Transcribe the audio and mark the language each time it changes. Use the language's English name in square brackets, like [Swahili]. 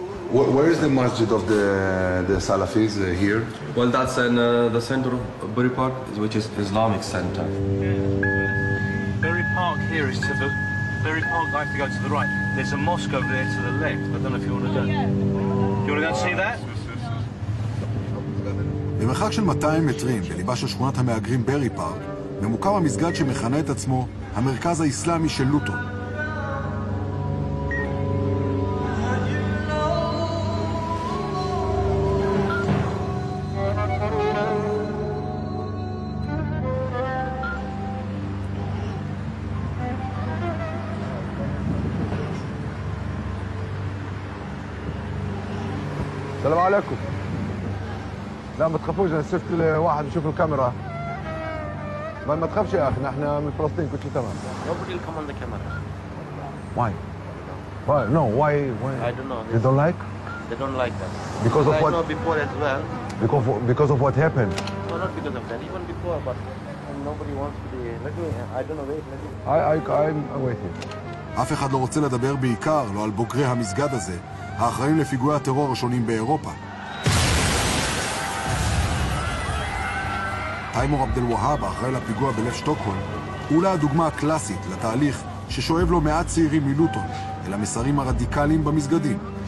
[English] Where is the masjid of the Salafis here? Well, that's in the center of Bury Park, which is Islamic center. Yeah. Bury Park here is to the... Bury Park, I have to go to the right. There's a mosque over there to the left. I don't know if you want to go. Do you want to go and see that? [Hebrew] במרחק של 200 מטרים בליבה של שכונת המאגרים ברי פארק, ממוקם המסגד שמכנה את עצמו המרכז האסלאמי של לוטון. [Arabic] סלאם עליכום. لا ما تخافوش انا شفت واحد يشوف الكاميرا ما ما تخافش يا اخي نحن من فلسطين كل شيء تمام [English] nobody will come on the camera why no why I don't know they don't like that because of what I know before as well because of what happened no not because of that even before but nobody wants to be let me I don't know wait I'm waiting [Hebrew] אף אחד לא רוצה לדבר בעיקר לא על בוגרי המסגד הזה האחראים לפיגועי הטרור השונים באירופה תיימור עבדל ווהאב אחראי לפיגוע בלב שטוקהולם, אולי הדוגמה הקלאסית לתהליך ששואב לו מעט צעירים מלוטון אל המסרים הרדיקליים במסגדים.